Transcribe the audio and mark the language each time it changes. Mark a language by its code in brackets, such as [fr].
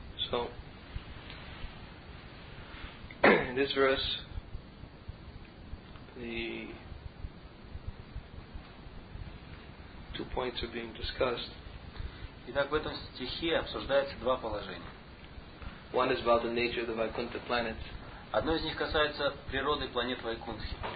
[en] So, in this verse, the two points are being discussed. [ru] Итак, в этом стихе обсуждается два положения. [en] One is about the nature of the Vaikuntha planet. [ru] Одно из них касается природы планет Вайкунтхи.